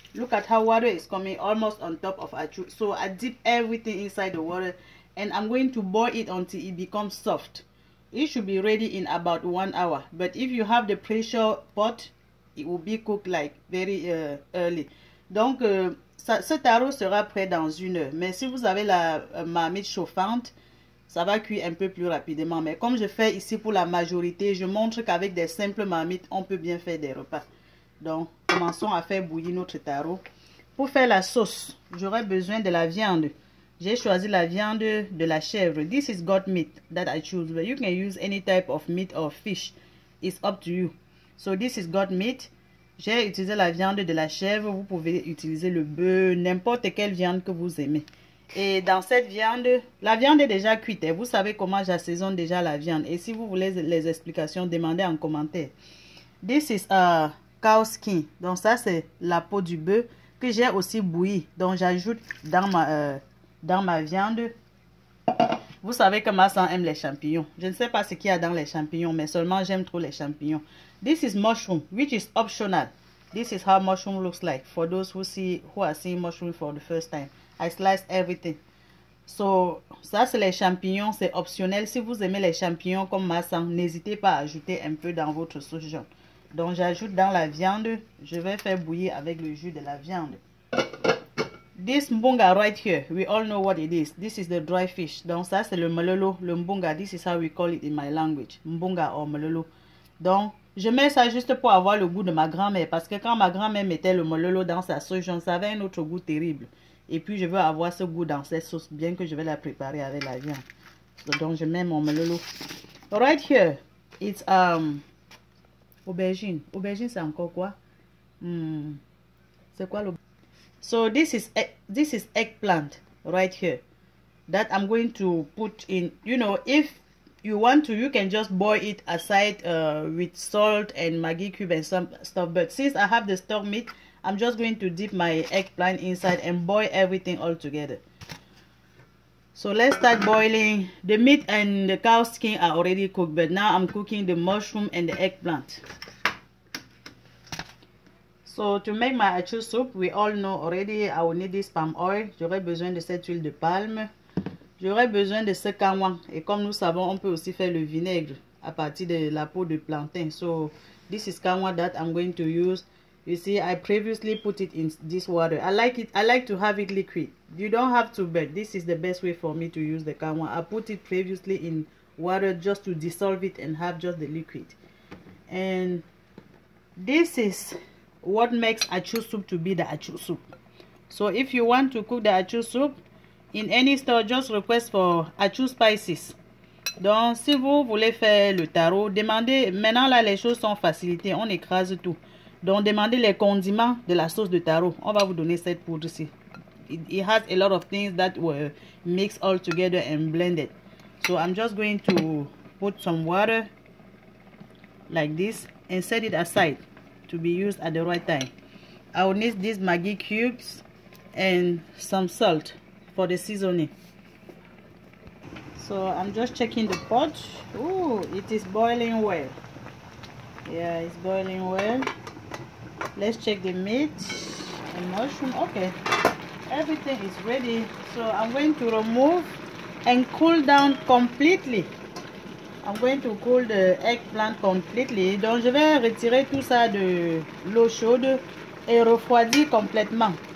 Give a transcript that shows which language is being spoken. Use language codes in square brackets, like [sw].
[en] Look at how water is coming almost on top of achou. So I dip everything inside the water, and I'm going to boil it until it becomes soft. It should be ready in about 1 hour, but if you have the pressure pot, it will be cooked like very early. [fr] Donc, ça, ce tarot sera prêt dans 1 heure. Mais si vous avez la marmite chauffante, ça va cuire un peu plus rapidement. Mais comme je fais ici pour la majorité, je montre qu'avec des simples marmites, on peut bien faire des repas. Donc, commençons à faire bouillir notre tarot. Pour faire la sauce, j'aurai besoin de la viande. J'ai choisi la viande de la chèvre. [en] This is goat meat that I choose, but you can use any type of meat or fish. It's up to you. So this is goat meat. [fr] J'ai utilisé la viande de la chèvre. Vous pouvez utiliser le bœuf, n'importe quelle viande que vous aimez. Et dans cette viande, la viande est déjà cuite. Et vous savez comment j'assaisonne déjà la viande. Et si vous voulez les explications, demandez en commentaire. [en] This is a cow skin. [fr] Donc ça, c'est la peau du bœuf que j'ai aussi bouillie. Donc j'ajoute dans ma viande. Vous savez que ma sœur aime les champignons. Je ne sais pas ce qu'il y a dans les champignons, mais seulement j'aime trop les champignons. [en] This is mushroom, which is optional. This is how mushroom looks like for those who see who are seeing mushroom for the first time. I slice everything. So, [fr] ça c'est les champignons, c'est optionnel. Si vous aimez les champignons comme ma sœur, n'hésitez pas à ajouter un peu dans votre sauce jaune. Donc j'ajoute dans la viande, je vais faire bouillir avec le jus de la viande. [en] This mbunga right here, we all know what it is. This is the dry fish. [fr] Donc ça c'est le mololo, le mbunga. [en] This is how we call it in my language. Mbunga or mololo. [fr] Donc je mets ça juste pour avoir le goût de ma grand-mère. Parce que quand ma grand-mère mettait le mololo dans sa sauce jaune, ça avait un autre goût terrible. Et puis je veux avoir ce goût dans cette sauce, bien que je vais la préparer avec la viande. Donc je mets mon mololo. [en] Right here, it's aubergine. [fr] Aubergine c'est encore quoi? C'est quoi l'aubergine? [en] So this is eggplant right here that I'm going to put in. You know, if you want to, you can just boil it aside with salt and Maggi cube and some stuff. But since I have the stock meat, I'm just going to dip my eggplant inside and boil everything all together. So let's start boiling. The meat and the cow skin are already cooked, but now I'm cooking the mushroom and the eggplant. So, to make my achou soup, we all know already I will need this palm oil. [fr] J'aurai besoin de cette huile de palme. J'aurai besoin de ce kanwa. Et comme nous savons, on peut aussi faire le vinaigre à partir de la peau de plantain. [en] So, this is kanwa that I'm going to use. You see, I previously put it in this water. I like it. I like to have it liquid. You don't have to, but this is the best way for me to use the kanwa. I put it previously in water just to dissolve it and have just the liquid. And this is what makes achou soup to be the achou soup. So if you want to cook the achou soup in any store, just request for achou spices. [fr] Donc si vous voulez faire le tarot, demandez. Maintenant là, les choses sont facilitées, on écrase tout. Donc, demandez les condiments de la sauce de taro. On va vous donner cette poudre-ci. [en] It has a lot of things that were mixed all together and blended. So I'm just going to put some water like this and set it aside to be used at the right time. I will need these Maggi cubes and some salt for the seasoning. So I'm just checking the pot. Oh, it is boiling well. Yeah, it's boiling well. Let's check the meat and mushroom. Okay, everything is ready. So I'm going to remove and cool down completely. I'm going to cool the eggplant completely. [fr] Donc je vais retirer tout ça de l'eau chaude et refroidir complètement.